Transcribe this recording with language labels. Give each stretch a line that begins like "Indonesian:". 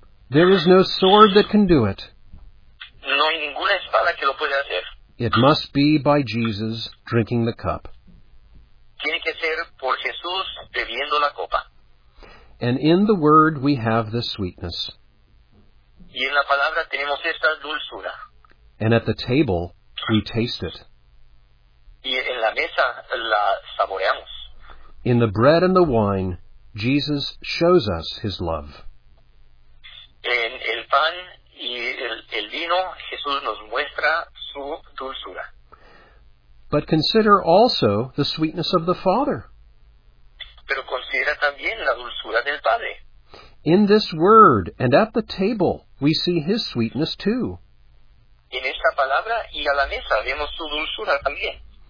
English: There is no sword that can do it.
Spanish: No hay ninguna espada que lo pueda hacer.
English: It must be by Jesus drinking the cup.
Spanish: Tiene que ser por Jesús bebiendo la copa.
English: And in the Word we have this sweetness.
Spanish: Y en la palabra tenemos esta dulzura.
English: And at the table, we taste it.
Spanish: Y en la mesa, la saboreamos.
English: In the bread and the wine, Jesus shows us His love.
Spanish: En el pan y el vino, Jesús nos muestra su dulzura.
English: But consider also the sweetness of the Father.
Spanish: Pero considera también la dulzura del Padre.
English: In this word and at the table, we see His sweetness too.
Spanish: En esta palabra y a la mesa vemos su dulzura también.